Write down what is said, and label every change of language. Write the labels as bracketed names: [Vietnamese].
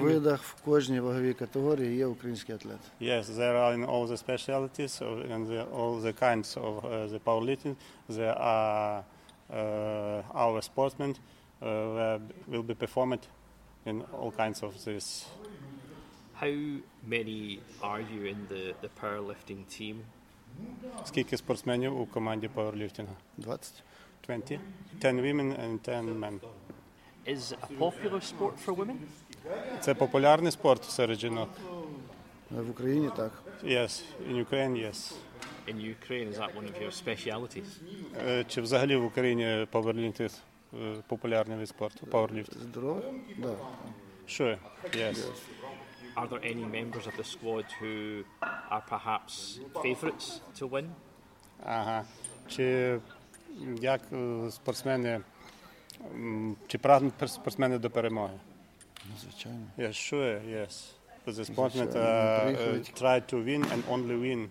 [Ukrainian] видах, в кожній ваговій категорії є український атлет. [English] Yes, there are in all the specialties and all the kinds of the powerlifting, there are our sportsmen will be performed in all kinds of this. How many are you in the powerlifting team? [Ukrainian] Скільки спортсменів у команді пауерліфтинга? [English] 20. 20? 10 women and 10 men. Is a popular sport for women? [Ukrainian] Це популярний спорт серед жінок. В Україні так. [English] Yes, in Ukraine, yes. In Ukraine, is that one of your specialties? [Ukrainian] Чи взагалі в Україні пауерліфтинг популярний вид спорту, пауерліфтинг? Здорово, да. [English] Sure, yes. Are there any members of the squad who are perhaps favorites to win? Ага. [Ukrainian] Чи як спортсмени, чи прагнуть спортсмени до перемоги? Звичайно. [English] Yes, sure, yes. The sportsmen try to win and only win.